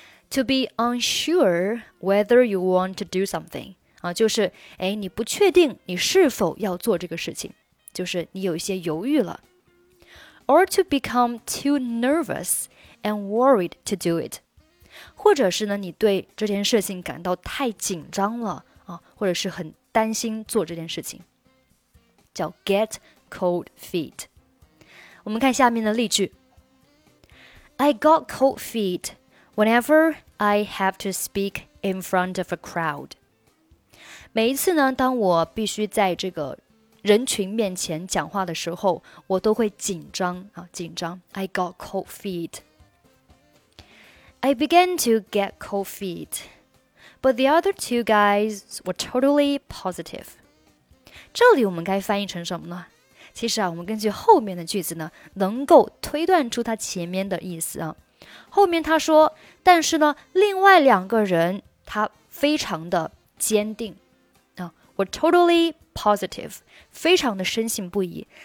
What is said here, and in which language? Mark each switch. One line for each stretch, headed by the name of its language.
English: To be unsure whether you want to do something.
Chinese: 就是哎，你不确定你是否要做这个事情，就是你有一些犹豫了。
English: Or to become too nervous and worried to do it.
Chinese: 或者是呢，你对这件事情感到太紧张了，或者是很担心做这件事情，叫 get cold feet. 我们看下面的例句。
English: I got cold feet whenever I have to speak in front of a crowd.
Chinese: 每一次呢，当我必须在这个人群面前讲话的时候，我都会紧张啊，紧张。
English: I got cold feet. I began to get cold feet, but the other two guys were totally positive.
Chinese: 这里我们该翻译成什么呢？其实啊，我们根据后面的句子呢，能够推断出它前面的意思啊。后面他说，但是呢，另外两个人他非常的坚定。
English: We're totally positive,
Chinese: 非常的深信不疑。